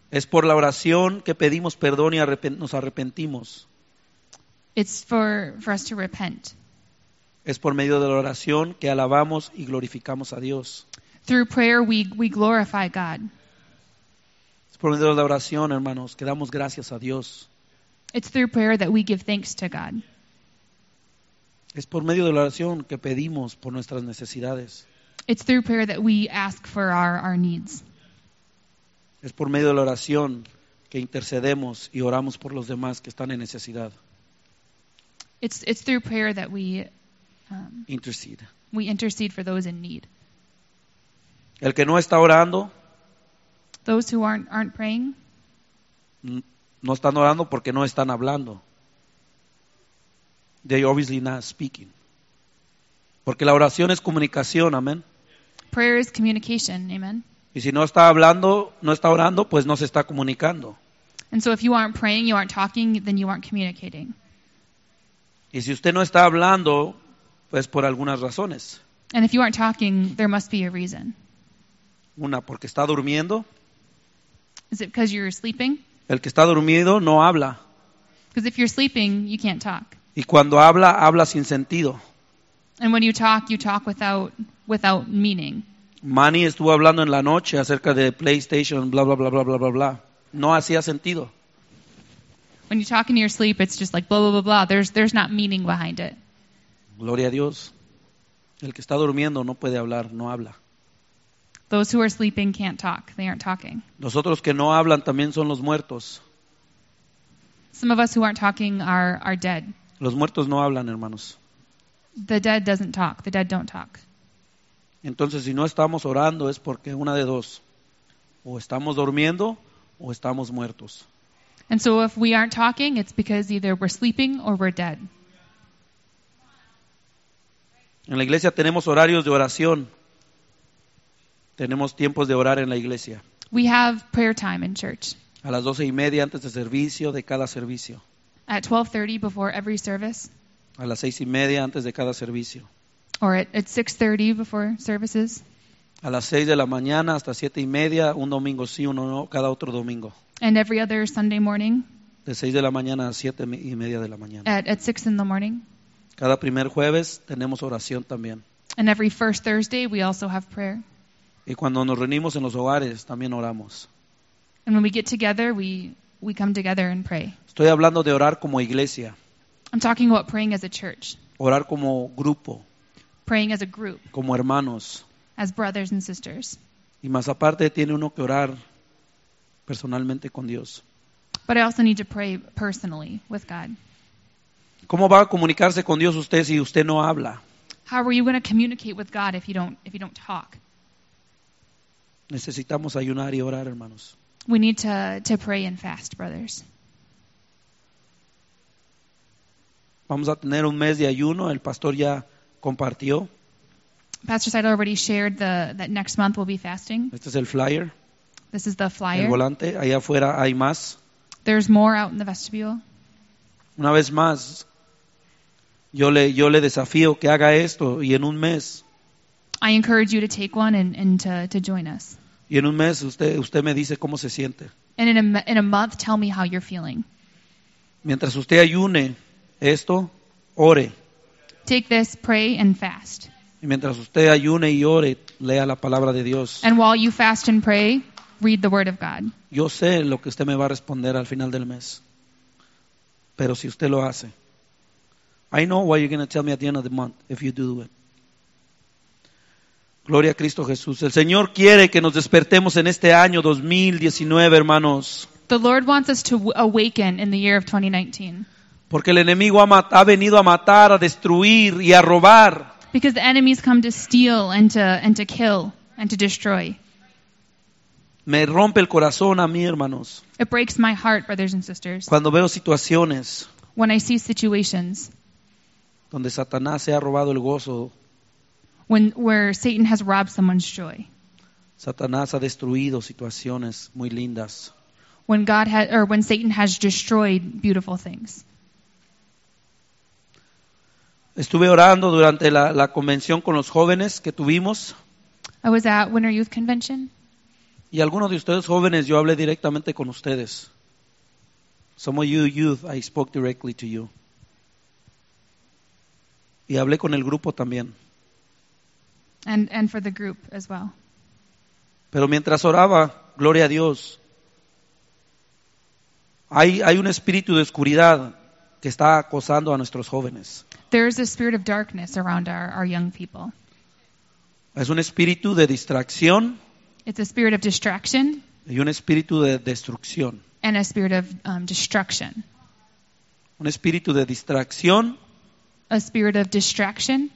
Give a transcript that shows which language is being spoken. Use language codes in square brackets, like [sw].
[es] Es por la oración que pedimos perdón y nos arrepentimos. [en] It's for us to repent. [es] Es por medio de la oración que alabamos y glorificamos a Dios. [en] Through prayer we glorify God. [es] Es por medio de la oración, hermanos, que damos gracias a Dios. [en] It's through prayer that we give thanks to God. [es] Es por medio de la oración que pedimos por nuestras necesidades. [en] It's through prayer that we ask for our needs. [es] Es por medio de la oración que intercedemos y oramos por los demás que están en necesidad. [en] It's through prayer that we intercede. We intercede for those in need. [es] El que no está orando, [en] those who aren't praying, [es] no están orando porque no están hablando. [en] They obviously not speaking. [es] Porque la oración es comunicación, amén. [en] Prayer is communication, amen. [es] Y si no está hablando, no está orando, pues no se está comunicando. [en] And so if you aren't praying, you aren't talking, then you aren't communicating. [es] Y si usted no está hablando, pues por algunas razones. [en] And if you aren't talking, there must be a reason. [es] Una, porque está durmiendo. [en] Is it because you're sleeping? [es] El que está dormido no habla. [en] Because if you're sleeping, you can't talk. [es] Y cuando habla, habla sin sentido. [en] And when you talk without meaning. [es] Manny estuvo hablando en la noche acerca de PlayStation, bla, bla, bla, bla, bla, bla, bla. No hacía sentido. [en] When you talk in your sleep, it's just like blah, blah, blah, blah. There's not meaning behind it. [es] Gloria a Dios. El que está durmiendo no puede hablar, no habla. [en] Those who are sleeping can't talk. They aren't talking. [es] Los otros que no hablan también son los muertos. [en] Some of us who aren't talking are dead. [es] Los muertos no hablan, hermanos. [en] The dead doesn't talk. The dead don't talk. [es] Entonces, si no estamos orando, es porque una de dos. O estamos durmiendo, o estamos muertos. [en] And so if we aren't talking, it's because either we're sleeping or we're dead. [es] En la iglesia tenemos horarios de oración. Tenemos tiempos de orar en la iglesia. [en] We have prayer time in church. [es] A las 12:30 antes de servicio, de cada servicio. [en] At 12:30 before every service. [es] A las 6:30 antes de cada servicio. [en] Or at 6:30 before services. [es] A las 6 de la mañana hasta 7:30, un domingo sí, uno no, cada otro domingo. [en] And every other Sunday morning. [es] De 6 de la mañana a 7:30 de la mañana. [en] At 6 in the morning. [es] Cada primer jueves tenemos oración también. [en] And every first Thursday we also have prayer. [es] Y cuando nos reunimos en los hogares también oramos. [en] And when we get together, we come together and pray. [es] Estoy hablando de orar como iglesia. [en] I'm talking about praying as a church. [es] Orar como grupo. [en] Praying as a group. [es] Como hermanos. [en] As brothers and sisters. [es] Y más aparte tiene uno que orar personalmente con Dios. [en] But I also need to pray personally with God. [es] ¿Cómo va a comunicarse con Dios usted si usted no habla? [en] How are you going to communicate with God if you don't talk? [es] Necesitamos ayunar y orar, hermanos. [en] We need to pray and fast, brothers. [es] Vamos a tener un mes de ayuno, el pastor ya compartió. [en] Pastor Seidel already shared that next month we'll be fasting. [es] Este es el flyer. [en] This is the flyer. [es] El volante, allá afuera hay más. [en] There's more out in the vestibule. [es] Una vez más, yo le desafío que haga esto y en un mes. [en] I encourage you to take one and to join us. [es] Y en un mes usted me dice cómo se siente. [en] And in a month, tell me how you're feeling. [es] Mientras usted ayune esto, ore. [en] Take this, pray, and fast. [es] Y mientras usted ayune y ore, lea la palabra de Dios. [en] And while you fast and pray, read the word of God. [es] Yo sé lo que usted me va a responder al final del mes. Pero si usted lo hace. [en] I know what you're going to tell me at the end of the month if you do it. [es] Gloria a Cristo Jesús. El Señor quiere que nos despertemos en este año 2019, hermanos. [en] The Lord wants us to awaken in the year of 2019. [es] Porque el enemigo ha venido a matar, a destruir y a robar. [en] Because the enemies come to steal and to kill and to destroy. [es] Me rompe el corazón a mí, hermanos. [en] It breaks my heart, brothers and sisters. [es] Cuando veo situaciones. [en] When I see situations. [es] Donde Satanás se ha robado el gozo. [en] Where Satan has robbed someone's joy. [es] Satanás ha destruido situaciones muy lindas. [en] When Satan has destroyed beautiful things. [es] Estuve orando durante la convención con los jóvenes que tuvimos. [en] I was at Winter Youth Convention. [es] Y algunos de ustedes jóvenes, yo hablé directamente con ustedes. [en] Some of you youth, I spoke directly to you. [es] Y hablé con el grupo también. [en] And for the group as well. [es] Pero mientras oraba, gloria a Dios, hay un espíritu de oscuridad que está acosando a nuestros jóvenes. [en] There is a spirit of darkness around our young people. [es] Es un espíritu de distracción. [en] It's a spirit of distraction. [es] Y un espíritu de destrucción. [en] And a spirit of destruction. [es] Un espíritu de distracción. [en] a spirit of distraction